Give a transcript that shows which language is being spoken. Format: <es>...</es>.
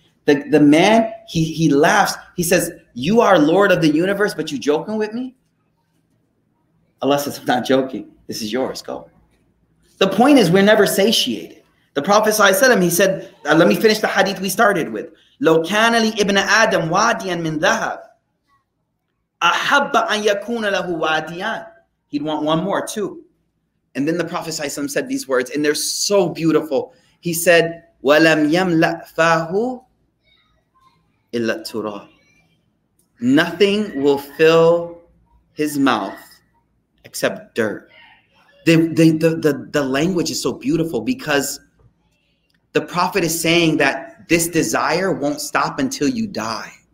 <en>The man, he laughs. He says, you are Lord of the universe, but you joking with me? Allah says, I'm not joking. This is yours, go. The point is, we're never satiated. The Prophet sallallahu alaihi wasallam, he said, let me finish the hadith we started with.</en> <ar>لو كان لي ابن آدم واديا من ذهب أحب أن يكون له واديا.</ar> <en>He'd want one more too. And then the Prophet sallallahu alaihi wasallam said these words, and they're so beautiful. He said,</en> <ar>ولم يملأ فاه إلا التراب.</ar> <en>Nothing will fill his mouth except dirt. The language is so beautiful because the Prophet is saying that this desire won't stop until you die.</en>